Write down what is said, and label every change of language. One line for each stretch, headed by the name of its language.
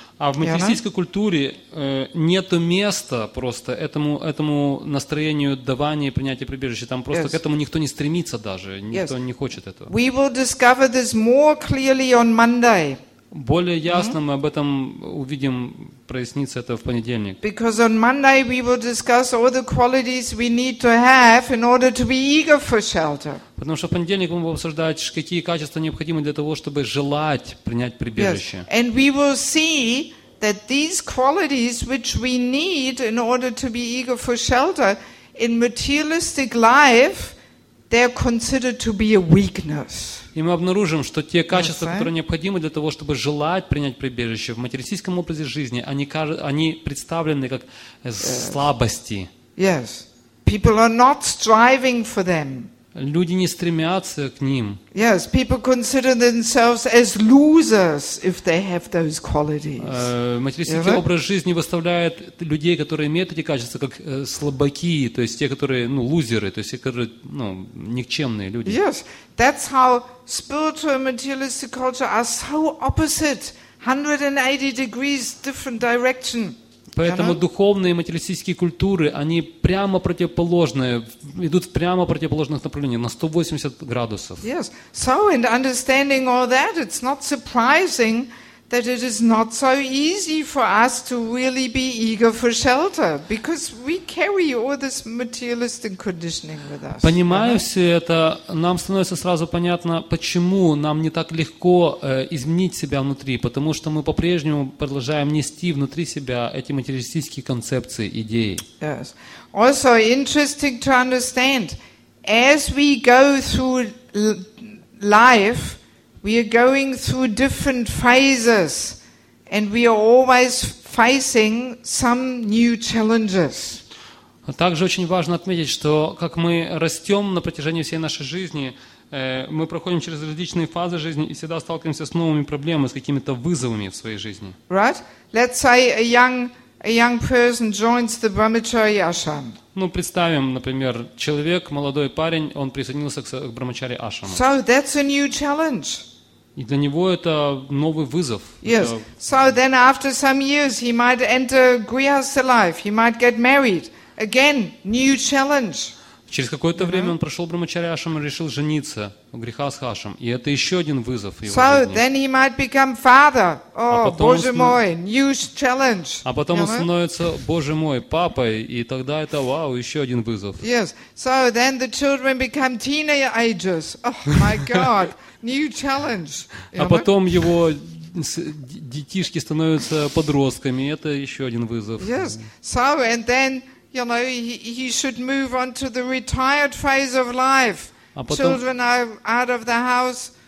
Russian: А в материалистической культуре нету места просто этому настроению давания и принятия прибежища. Там просто к этому никто не стремится даже, никто не хочет этого.
English: We will discover this more clearly on Monday.
Russian: Более ясно мы об этом увидим, прояснится это в понедельник.
English: Because on Monday we will discuss all the qualities we need to have in order to be eager for shelter.
Russian: Потому что в понедельник мы будем обсуждать, какие качества необходимы для того, чтобы желать принять прибежище.
English: Yes. And we will see that these qualities which we need in order to be eager for shelter in materialistic life, they're considered to be a weakness.
Russian: И мы обнаружим, что те качества, которые необходимы для того, чтобы желать принять прибежище в материалистическом образе жизни, они представлены как слабости.
English: Yes. People are not striving for them.
Russian: Люди не стремятся к ним.
English: Yes, people consider themselves as losers if they have those qualities.
Russian: Материалистический образ жизни выставляет людей, которые имеют эти качества, как слабаки, то есть те, которые, ну, лузеры, то есть те, которые, ну, никчемные люди.
English: Yes, that's how spiritual and materialistic culture are so opposite, 180 degrees different direction.
Russian: Поэтому духовные и материалистические культуры, они прямо противоположные, идут в прямо противоположных направлениях, на 180 градусов.
English: Yes. So, and understanding all that, it's not surprising that it is not so easy for us to really be eager for shelter, because we carry all this materialistic conditioning with us.
Russian: Понимая все это, нам становится сразу понятно, почему нам не так легко изменить себя внутри, потому что мы по-прежнему продолжаем нести внутри себя эти материалистические концепции, идеи.
English: Yes. Also interesting to understand, as we go through life, we are going through different phases, and we are always facing some new challenges.
Russian: Также очень важно отметить, что как мы растем на протяжении всей нашей жизни, мы проходим через различные фазы жизни и всегда сталкиваемся с новыми проблемами, с какими-то вызовами в своей жизни.
English: Right? Let's say a young person joins the Brahmacharya Ashram.
Russian: Ну, представим, например, человек, молодой парень, он присоединился к Брахмачари Ашраму.
English: So that's a new challenge.
Russian: И для него это новый вызов.
English: Yes. So then after some years he might enter grihastha life, he might get married. Again, new challenge.
Russian: Через какое-то время он прошел Брахмачари Ашрам и решил жениться в грихастха ашрам. И это еще один вызов его so жизни.
English: Then he might become father. Oh, Боже мой, new challenge.
Russian: А потом он становится, Боже мой, папой, и тогда это, вау, еще один вызов.
English: Yes. So then the children become teenagers. Oh my God. New challenge.
Russian: А потом его детишки становятся подростками, это еще один вызов.
English: Yes. So and then, you know, he should move on to the retired phase of life. Children are out of the house.